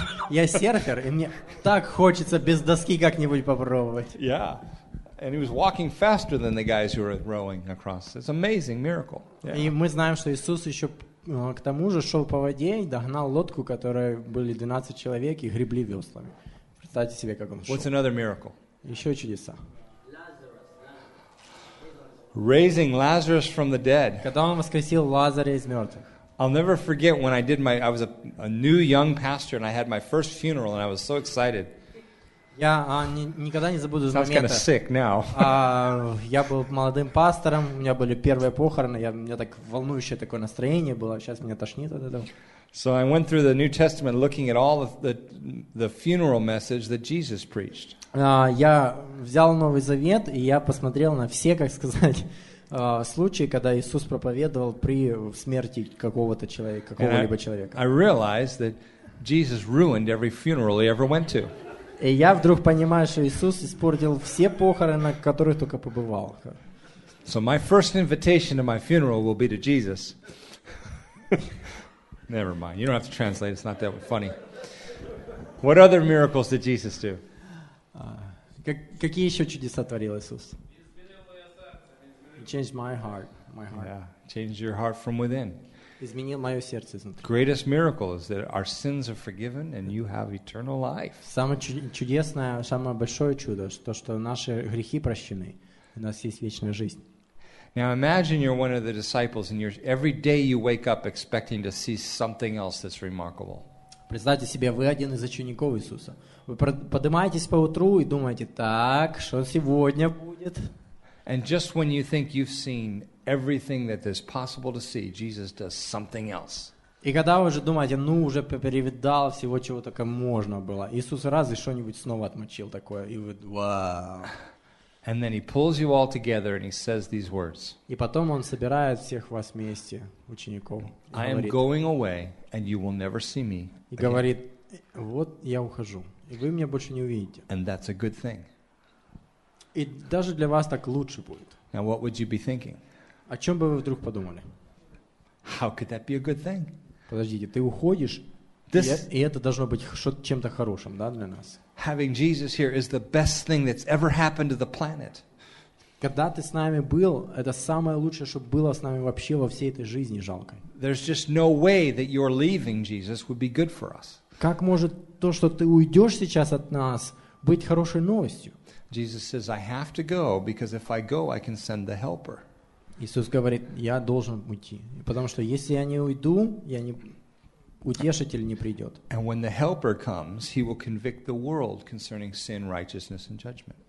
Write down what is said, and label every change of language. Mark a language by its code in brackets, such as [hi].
[ru] Я серфер, и мне так хочется без доски как-нибудь попробовать. [en] Yeah. And he was walking faster than the guys who were rowing across. It's an amazing miracle. Yeah. [ru] И мы знаем, что Иисус еще к тому же шел по воде и догнал лодку, которой были 12 человек и гребли веслами. Представьте себе, как он шел. [en] What's another miracle? [ru] Еще чудеса. [en] Raising Lazarus from the dead. [ru] Когда он воскресил Лазаря из мертвых. [en] I'll never forget when I did I was a new young pastor and I had my first funeral and I was so excited. [ru] Никогда не забуду момента. [en] Sounds kind of sick now. [ru] Я был молодым пастором, у меня были первые похороны, у меня так волнующее такое настроение было, сейчас меня тошнит от этого. [en] So I went through the New Testament looking at all the funeral message that Jesus preached. [ru] Я взял Новый Завет, и я посмотрел на все, как сказать, случай, когда Иисус проповедовал при смерти какого-то человека, какого-либо человека. [en] I realized that Jesus ruined every funeral he ever went to. [ru] И я вдруг понимаю, что Иисус испортил все похороны, на которых только побывал. [en] So my first invitation to my funeral will be to Jesus. Never mind. You don't have to translate. It's not that funny. What other miracles did Jesus do? [ru] Какие еще чудеса творил Иисус? [en] Changed my heart. Yeah, changed your heart from within. [ru] Изменил мое сердце изнутри. [en] Greatest miracle is that our sins are forgiven and you have eternal life. [ru] Самое чудесное, самое большое чудо, то, что наши грехи прощены, у нас есть вечная жизнь. [en] Now imagine you're one of the disciples and you're every day you wake up expecting to see something else that's remarkable. [ru] Представьте себе, вы один из учеников Иисуса. Вы поднимаетесь по утру и думаете: так, что сегодня будет? [en] And just when you think you've seen everything that is possible to see, Jesus does something else. [ru] И когда вы уже думаете, уже перевидал всего, чего только можно было, Иисус раз и что-нибудь снова отмочил такое, и вы: вау. [en] And then he pulls you all together and he says these words. [ru] И потом он собирает всех вас вместе, учеников. [en] I am going away and you will never see me. [ru] И говорит: вот я ухожу, и вы меня больше не увидите. [en] And that's a good thing. [ru] И даже для вас так лучше будет. [en] Now what would you be thinking? [ru] О чем бы вы вдруг подумали? [en] How could that be a good thing? [ru] Подождите, ты уходишь, и это должно быть чем-то хорошим, да, для нас? [en] Having Jesus here is the best thing that's ever happened to the planet. [ru] Когда ты с нами был, это самое лучшее, что было с нами вообще во всей этой жизни жалкой. [en] There's just no way that your leaving Jesus would be good for us. [ru] Как может то, что ты уйдешь сейчас от нас, быть хорошей новостью? [en] Jesus says, "I have to go because if I go, I can send the Helper." [ru] Иисус говорит, я должен уйти, потому что если я не уйду, утешитель не придет. [en] And when the Helper comes, he will convict the world concerning sin, righteousness, and judgment.